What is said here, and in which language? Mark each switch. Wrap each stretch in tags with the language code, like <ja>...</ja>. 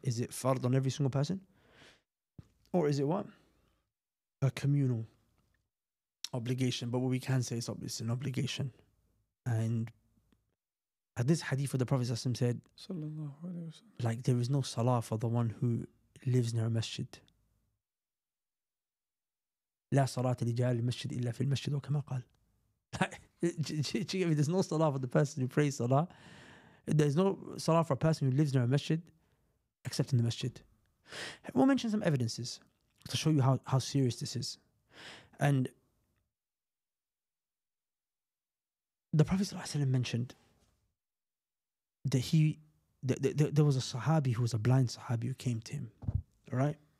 <en>Is it fard on every single person? Or is it what? A communal obligation. But what we can say is it's an obligation. And this hadith of the Prophet ﷺ said, like, there is no salah for the one who lives near a masjid.</en> <ar>لا صلاة لجال المسجد إلا في المسجد وكما قال.</ar> <en>There's no salah for the person who prays salah. There's no salah for a person who lives near a masjid except in the masjid. We'll mention some evidences to show you how serious this is. And the Prophet ﷺ mentioned that there was a Sahabi who was a blind Sahabi who came to him, right?</en>